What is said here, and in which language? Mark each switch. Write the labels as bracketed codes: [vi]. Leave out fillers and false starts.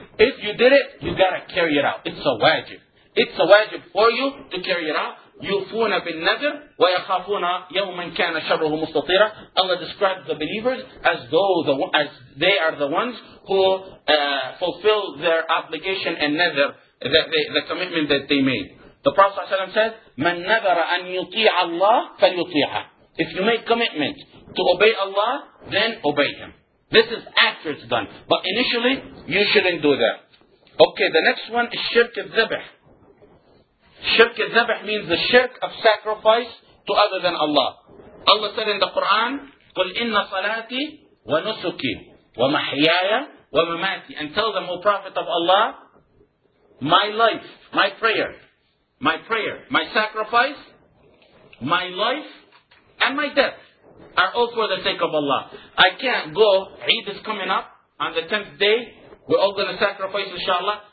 [en] If you did it, you got to carry it out. It's a wajib. It's a wajib for you to carry it out. [ar] يُفُونَ بِالنَّذِرِ وَيَخَافُونَ يَوْمًا كَانَ شَرُّهُ مُسْتَطِيرًا. [en] Allah describes the believers as they are the ones who fulfill their obligation and nadr, the commitment that they made. The Prophet ﷺ said, [ar] مَنْ نَذَرَ أَنْ يُطِيعَ اللَّهِ فَلْيُطِيعَ. [en] If you make commitment to obey Allah, then obey Him. This is after it's done. But initially, you shouldn't do that. Okay, the next one is shirk al-dhabih. Shirk al-dhabih means the shirk of sacrifice to other than Allah. Allah said in the Quran, [ar] قُلْ إِنَّ صَلَاتِي وَنُسُكِي وَمَحْيَايَ وَمَمَاتِي. [en] And tell them, O Prophet of Allah, my life, my prayer, my sacrifice, my life, and my death are all for the sake of Allah. I can't go, Eid is coming up on the 10th day, we're all going to sacrifice inshallah.